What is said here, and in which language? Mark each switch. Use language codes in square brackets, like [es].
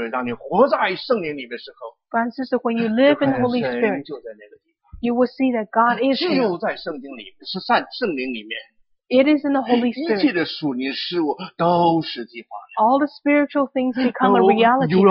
[zh] 当你活在圣灵里面的时候， [en] Francis, when you live in the Holy Spirit, you will see that God is here. [zh] 就在圣经里面，是在圣灵里面。 [en] It is in the Holy Spirit. [zh] 一切的属灵事物都实际化了。 [en] All the spiritual things become a reality to you.